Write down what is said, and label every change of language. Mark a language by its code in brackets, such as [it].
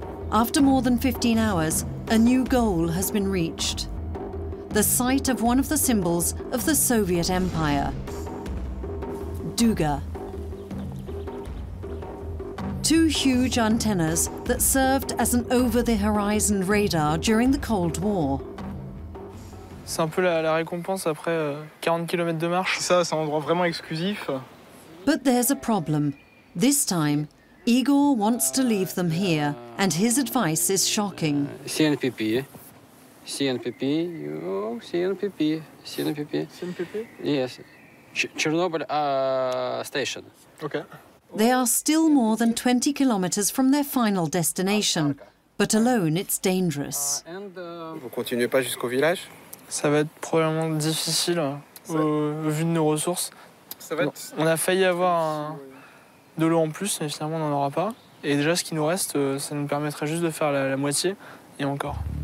[en] After more than 15 hours, a new goal has been reached. The site of one of the symbols of the Soviet Empire. Duga. Two huge antennas that served as an over-the-horizon radar during the Cold War. [fr] C'est un peu la récompense après 40 km de marche. Ça, c'est un endroit vraiment exclusif. [en] But there's a problem. This time, Igor wants to leave them here, and his advice is shocking. CNPP. CNPP. Oh, CNPP. CNPP. CNPP? Yes. Chernobyl station. Okay. They are still more than 20 kilometers from their final destination, but alone it's dangerous. [fr] Vous continuez pas jusqu'au village? Ça va être probablement difficile, vu de nos ressources. Ça va être... On a failli avoir de l'eau en plus, mais finalement, on n'en aura pas. Et déjà, ce qui nous reste, ça nous permettrait juste de faire la moitié, et encore.